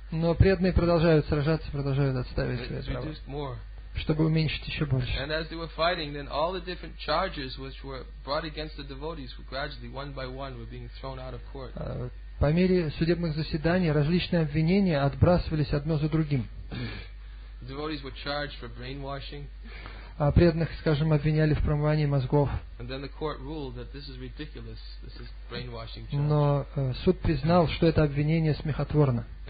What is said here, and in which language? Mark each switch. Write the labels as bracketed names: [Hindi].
[Russian] Но преданные продолжают сражаться, продолжают отстаивать свое право. Чтобы уменьшить еще больше. [English] And as they were fighting, then all the different charges which were brought against the devotees were gradually, one by one, were being thrown out of court. [Russian] По мере судебных заседаний различные обвинения отбрасывались одно за другим. [English] The devotees were charged for brainwashing. [Russian] а преданных, скажем, обвиняли в промывании мозгов. Но суд признал, что это обвинение смехотворно.